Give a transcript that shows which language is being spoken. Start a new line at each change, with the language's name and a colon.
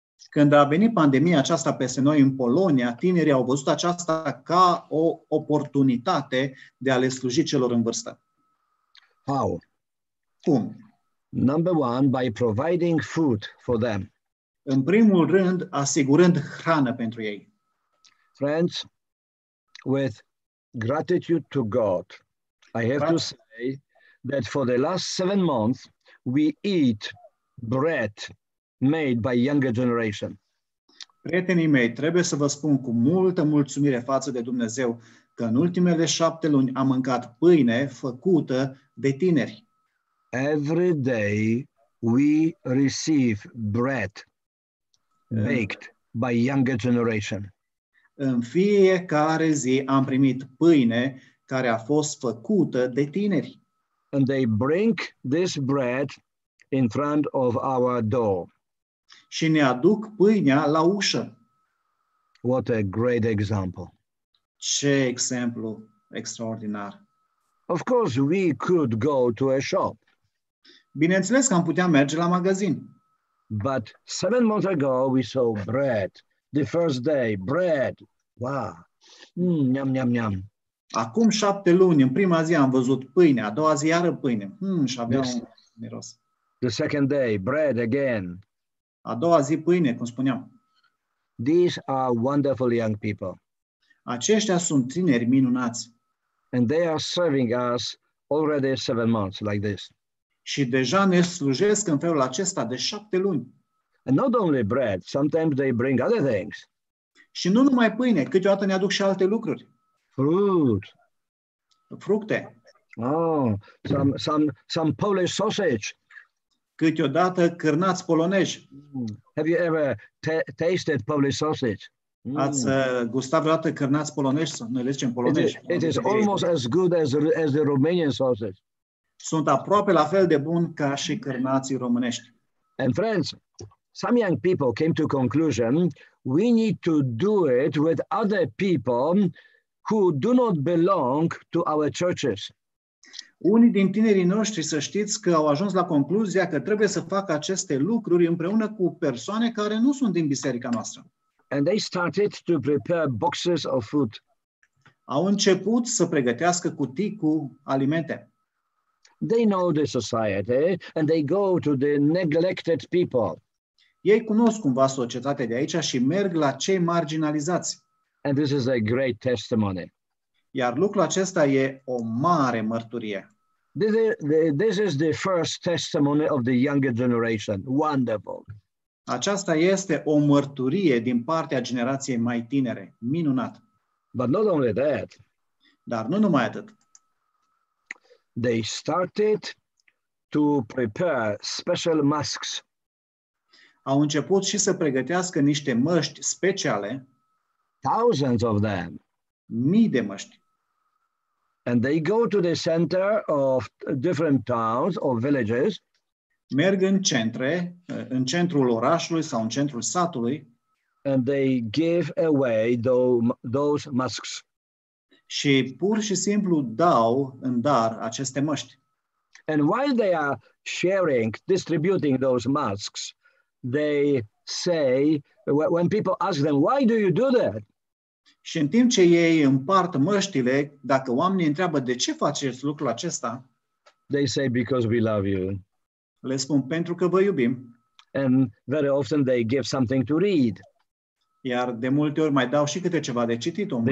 Romanian: Când a venit pandemia aceasta peste noi în Polonia, tinerii au văzut aceasta ca o oportunitate de a le sluji celor în vârstă.
English: How?
Romanian: Cum?
English: Number one, by providing food for them.
Romanian: În primul rând, asigurând hrană pentru ei.
English: Friends, with gratitude to God, I have to say that for the last 7 months, we eat bread made by younger generation.
Romanian: Prietenii mei, trebuie să vă spun cu multă mulțumire față de Dumnezeu că în ultimele 7 luni am mâncat pâine făcută de tineri.
English: Every day we receive bread baked by younger generation.
Romanian: În fiecare zi am primit pâine care a fost făcută de tineri.
English: And they bring this bread in front of our door.
Romanian: Și ne aduc pâinea la ușă.
English: What a great example.
Romanian: Ce exemplu extraordinar.
English: Of course we could go to a shop.
Romanian: Bineînțeles că am putea merge la magazin.
English: But 7 months ago we saw bread. The first day, bread. Wow. Niam, niam, niam.
Romanian: Acum 7 luni, în prima zi am văzut pâine, a doua zi iară pâine. Și aveam un miros.
English: The second day, bread again.
Romanian: A doua zi pâine, cum spuneam.
English: These are wonderful young people.
Romanian: Aceștia sunt tineri minunați.
English: And they are serving us already 7 months like this.
Romanian: Și deja ne slujesc în felul acesta de 7 luni.
English: And not only bread, sometimes they bring other things.
Romanian: Și nu numai pâine, câteodată ne aduc și alte lucruri.
English: Fruit.
Romanian: Fructe.
English: Oh, some Polish sausage.
Romanian: Câteodată cârnați polonești.
English: Have you ever tasted Polish sausage?
Romanian: Ați gustat vreodată cârnați polonești? Noi le zicem polonești.
English: It is almost as good as the Romanian sausage.
Romanian: Sunt aproape la fel de bun ca și cârnații românești.
English: And friends, some young people came to conclusion we need to do it with other people who do not belong to our churches.
Romanian: Unii din tinerii noștri, să știți că au ajuns la concluzia că trebuie să facă aceste lucruri împreună cu persoane care nu sunt din biserica noastră.
English: And they started to prepare boxes of food.
Romanian: Au început să pregătească cutii cu alimente.
English: They know the society and they go to the neglected people.
Romanian: Ei cunosc cumva societatea de aici și merg la cei marginalizați.
English: And this is a great testimony.
Romanian: Iar lucrul acesta e o mare mărturie.
English: This is the first testimony of the younger generation. Wonderful.
Romanian: Aceasta este o mărturie din partea generației mai tinere. Minunat.
English: But not only that.
Romanian: Dar nu numai atât.
English: They started to prepare special masks.
Romanian: Au început și să pregătească niște măști speciale.
English: Thousands of them.
Romanian: Mii de măști.
English: And they go to the center of different towns or villages.
Romanian: Merg în centre, în centrul orașului sau în centrul satului.
English: And they give away those masks.
Romanian: Și pur și simplu dau în dar aceste măști.
English: And while they are sharing, distributing those masks, they say, when people ask them, why do you do that?
Romanian: Și în timp ce ei împart măștile, dacă oamenii întreabă de ce faceți lucrul acesta,
English: they say, because we love you.
Romanian: Le spun, pentru că vă iubim.
English: And very often they give something to read.
Romanian: Iar de multe ori mai dau și câte ceva de citit, omule.